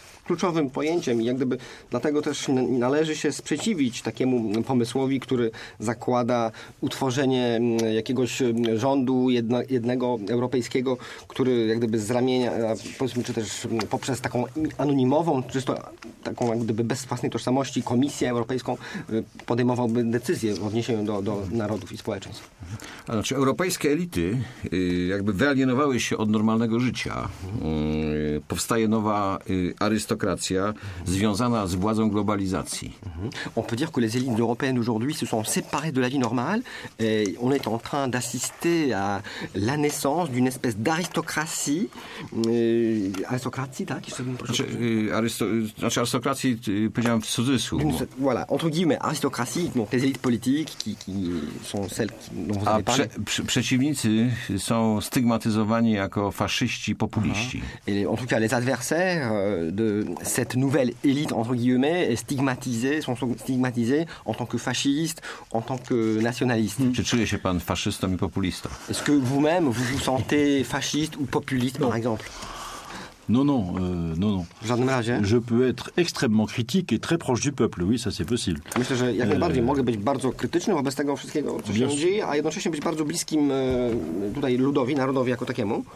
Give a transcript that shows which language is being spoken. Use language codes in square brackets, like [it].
[pl] kluczowym pojęciem i jak gdyby dlatego też należy się sprzeciwić takiemu pomysłowi, który zakłada utworzenie jakiegoś rządu jednego europejskiego, który jak gdyby z ramienia, powiedzmy, czy też poprzez taką anonimową, czysto taką jak gdyby bez własnej tożsamości Komisję Europejską podejmowałby decyzje w odniesieniu do narodów i społeczeństw. Znaczy europejskie elity jakby wyalienowały się od normalnego życia. Powstaje nowa arystokracja związana z władzą globalizacji. [fr] On peut dire que les élites européennes aujourd'hui se sont séparées de la vie normale et on est en train d'assister à la naissance d'une espèce d'aristocratie aristocratie, [pl] tak? Znaczy arystokracji powiedziałem w cudzysłów. [fr] Voilà, entre guillemets, aristocratie, donc les élites politiques qui sont celles qui dont vous avez parlé. [pl] Przeciwnicy są stygmatyzowani jako faszyści, populiści. [fr] Et en tout cas, les adversaires de cette nouvelle élite, entre guillemets, sont stigmatisés en tant que fascistes, en tant que nationalistes. [pl] Czy czuje się pan faszystą i populistą? [fr] Est-ce que vous-même, vous vous sentez fasciste ou populiste, par exemple? Non. [pl] W żadnym razie. [fr] Je peux être extrêmement critique et très proche du peuple. Oui, ça c'est possible. [pl] Myślę, że jak najbardziej mogę być bardzo krytyczny wobec tego wszystkiego, co się dzieje, a jednocześnie być bardzo bliskim tutaj ludowi, narodowi jako takiemu.